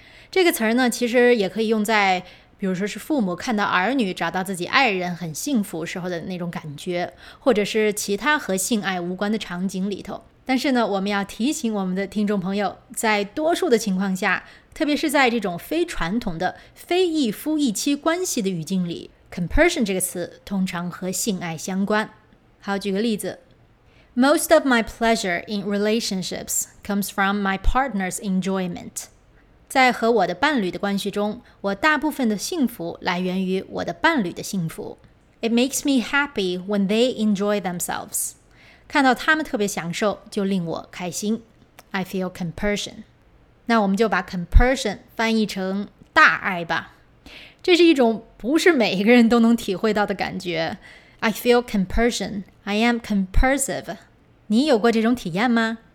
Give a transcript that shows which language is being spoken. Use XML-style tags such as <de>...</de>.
<zh>这个词呢，其实也可以用在比如说是父母看到儿女找到自己爱人很幸福时候的那种感觉，或者是其他和性爱无关的场景里头。但是呢，我们要提醒我们的听众朋友，在多数的情况下，特别是在这种非传统的非一夫一妻关系的语境里， compersion 这个词通常和性爱相关。好，举个例子，</zh> <en>Most of my pleasure in relationships comes from my partner's enjoyment.</en> <zh>在和我的伴侣的关系中，我大部分的幸福来源于我的伴侣的幸福。</zh> <en>It makes me happy when they enjoy themselves.</en> <zh>看到他们特别享受就令我开心，</zh> <en>I feel compersion。</en> <zh>那我们就把 compersion 翻译成大爱吧，这是一种不是每一个人都能体会到的感觉。</zh> <en>I feel compersion, I am compersive。</en> <zh>你有过这种体验吗？</zh>